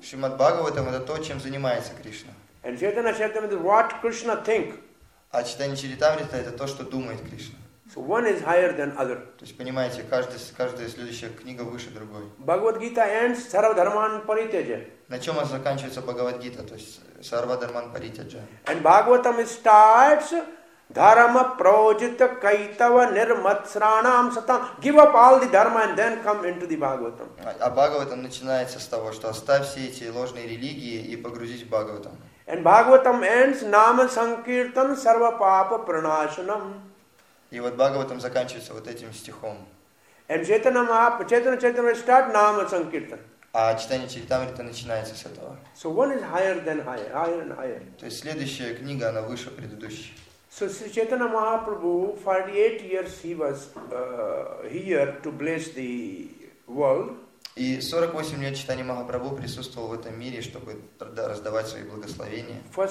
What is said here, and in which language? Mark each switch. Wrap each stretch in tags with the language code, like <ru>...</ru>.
<ru>Шримад Бхагаватам это то, чем занимается Кришна.</ru> <en>And Chaitanya Charitamrita is what Krishna think.</en> <ru>А читание Чаритамрита это то, что думает Кришна.</ru> <en>So one is higher than other.</en> <ru>То есть понимаете, каждая следующая книга выше другой.</ru> <en>Bhagavad Gita ends</en> <sa>sarva dharman paritya.</sa> <ru>На чем заканчивается Бхагавад Гита, то есть</ru> <sa>Сарвадарман Паритяджа.</sa> <en>And Bhagavatam starts</en> <sa>dharma prajita kaitava nirmatsranam satam.</sa> <en>Give up all the dharma and then come into the Bhagavatam.</en> <ru>А Бхагаватам начинается с того, что оставь все эти ложные религии и погрузись в Бхагаватам.</ru> <en>And Bhagavatam ends</en> <sa>nama sankirtan sarva papa pranashanam.</sa> <ru>И вот Бхагаватам заканчивается вот этим стихом.</ru> <en>And Chaitanya Charitamrita start nama sankirtan.</en> <ru>А читание Чаритамрита начинается с этого.</ru> <en>So one is higher than higher and higher.</en> <ru>То есть следующая книга, она выше предыдущей.</ru> <en>So Sri Chaitanya Mahaprabhu, 48 years he was here to bless the world.</en> <ru>И 48 лет Чайтанья Махапрабху присутствовал в этом мире, чтобы раздавать свои благословения.</ru>